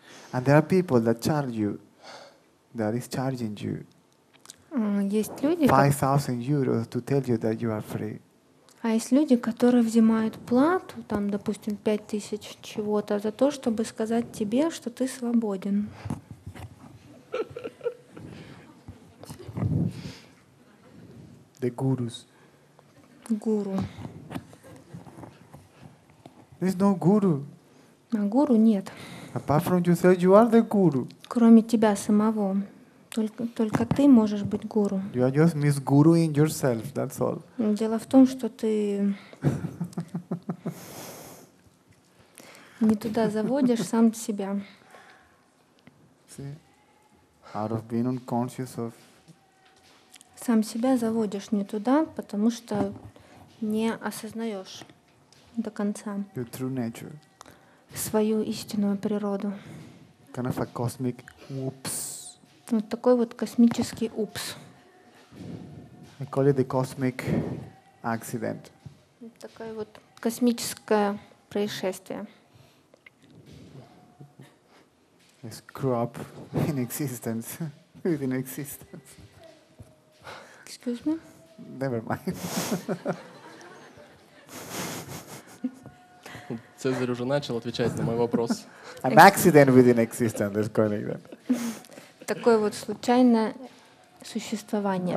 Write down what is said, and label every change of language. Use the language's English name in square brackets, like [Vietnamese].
[English] And there are people that charge you, that is charging you. [Russian] Есть люди. [English] 5,000 euros to tell you that you are free. [Russian] А есть люди, которые взимают плату, там, допустим, 5,000 чего-то за то, чтобы сказать тебе, что ты свободен. [English] The gurus. [Russian] Гуру. [English] There's no guru. [Russian] А гуру нет. [English] Apart from yourself, you are the guru. [Russian] Кроме тебя самого. Только ты можешь быть гуру. [English] You are just Miss Guru in yourself, that's all. [Russian] Дело в том, что ты не туда заводишь сам себя. [English] See? Out of being unconscious of... [Russian] Сам себя заводишь не туда, потому что не осознаешь до конца. [English] Your true nature. [Russian] Свою истинную природу. [English] Kind of a cosmic whoops. [Russian] Вот такой вот космический упс. [English] I call it the cosmic accident. [Russian] Вот такое вот космическое происшествие. [English] A screw up in existence. Within existence. Excuse me? Never mind. [Russian] Цезарь уже начал отвечать на мой вопрос. [English] An accident within existence, let's call it that. [Russian] Такое вот случайное существование.